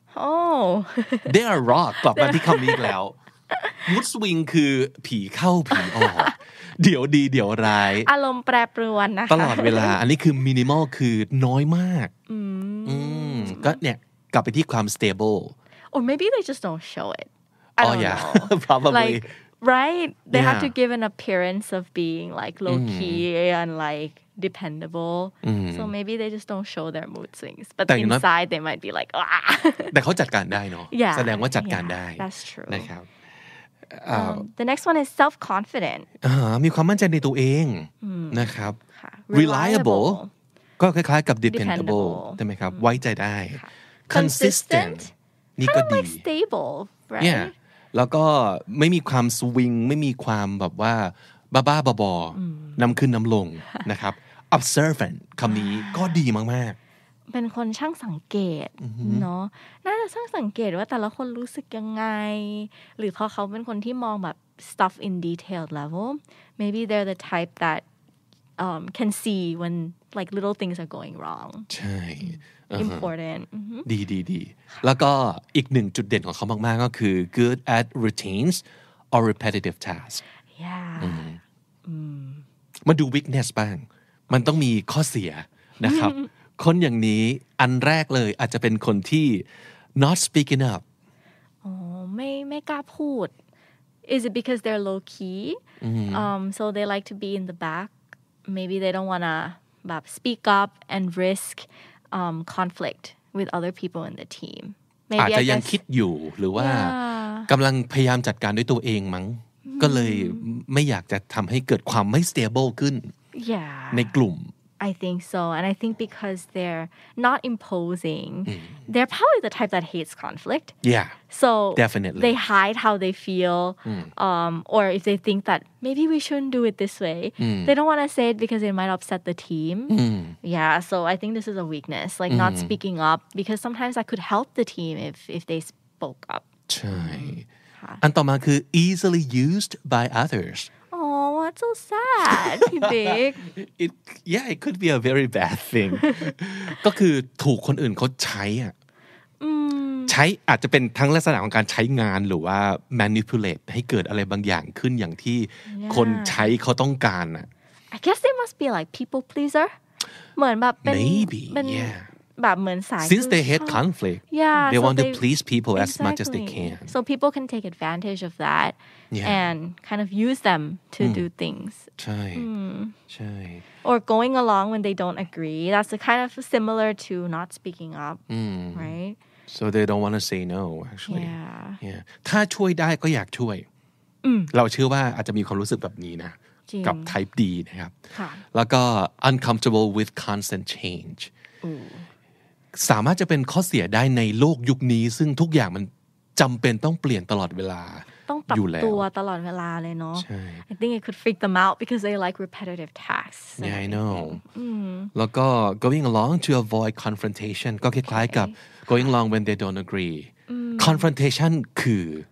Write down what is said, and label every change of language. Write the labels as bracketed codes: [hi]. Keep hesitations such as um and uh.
[en] oh they are [th] rock กลับมาที่คำนี้แล้ว mood swing คือผีเข้าผีออกเดี๋ยวดีเดี๋ยวร้ายอ ารมณ์แปรปรวนนะคะตลอดเวลา อันนี้คือมินิมอลคือน้อยมากอืมก็เนี่ยกลับไปที่ความ stable [en] or maybe they just don't show it I don't oh, yeah. know. Probably. Like, right? They yeah. have to give an appearance of being like low key mm. and like dependable. Mm. So maybe they just don't show their mood swings. But, but inside not... they might be like, ah. [th] แต่เขาจัดการได้เนาะ [en] Yeah. [th] แสดงว่าจัดการได้ [en] That's true. [th] นะครับ [en] The next one is self confident. [th] มีความมั่นใจในตัวเองนะครับ Reliable. ก็คล้ายๆกับ dependable ใช่ไหมครับไว้ใจได้ [en] consistent [th] นี่ก็ดี [en] stable right yeah [th] แล้วก็ไม่มีความสวิงไม่มีความแบบว่าบ้าบ้าบอบอนำขึ้นนำลงนะครับ [en] observant [th] คำนี้ก็ดีมากมา เป็นคนช่างสังเกต เนาะน่าจะช่างสังเกตว่าแต่ละคนรู้สึกยังไง หรือพอเขาเป็นคนที่มองแบบ [en] stuff in detail level maybe they're the type that um, can see when like little things are going wrong ใช่ [th] important ดีดีดี แล้วก็อีกหนึ่งจุดเด่นของเขามากๆ ก็คือ [en] good at routines or repetitive tasks [th] มันดู weakness บ้าง มันต้องมีข้อเสียนะครับ คนอย่างนี้อันแรกเลยอาจจะเป็นคนที่ [en] not speaking up [th] ออ๋ไม่ไม่กล้าพูด [en] is it because they're low key um, so they like to be in the back maybe they don't wanna แบบ speak up and risk um, conflict with other people in the team [th] อาจจะยังคิดอยู่หรือว่ากำลังพยายามจัดการด้วยตัวเองมั้งก็เลยไม่อยากจะทำให้เกิดความไม่ stable ขึ้นในกลุ่ม [en] I think so. And I think because they're not imposing, mm. they're probably the type that hates conflict. Yeah. So definitely. They hide how they feel. Mm. Um, or if they think that maybe we shouldn't do it this way, mm. they don't want to say it because it might upset the team. Yeah. So I think this is a weakness, like not speaking up, because sometimes that could help the team if, if they spoke up. Mm. Right. Uh. easily used by others. Oh, that's so sad, big. It yeah, it could be a very bad thing. [th] ก็คือถูกคนอื่นเขาใช้อ่ะใช้อาจจะเป็นทั้งลักษณะของการใช้งานหรือว่า manipulate ให้เกิดอะไรบางอย่างขึ้นอย่างที่คนใช้เขาต้องการอ่ะ [en] I guess they must be like people pleaser [th] เหมือนแบบเป็น [en] Maybe, เป็น yeah. [th] บบเหมือนสาย [en] since they hate conflict yeah they so want they, to please people exactly. as much as they can so people can take advantage of that yeah. and kind of use them to mm. do things [th] ใช่ใช่ [en] or going along when they don't agree that's a kind of similar to not speaking up mm. right so they don't want to say no actually yeah yeah [th] ถ้าช่วยได้ก็อยากช่วยเราเชื่อว่าอาจจะมีความรู้สึกแบบนี้นะกับ type D นะครับแล้วก็ [en] uncomfortable with constant change [th] สามารถจะเป็นข้อเสียได้ในโลกยุคนี้ ซึ่งทุกอย่างมันจำเป็นต้องเปลี่ยนตลอดเวลา ต้องปรับตัวตลอดเวลาเลยเนาะใช่ [en] I think it could freak them out because they like repetitive tasks Yeah I know [th] แล้วก็ [en] going along to avoid confrontation [th] ก็คล้ายๆกับ [en] going along when they don't agree [th] confrontation คือ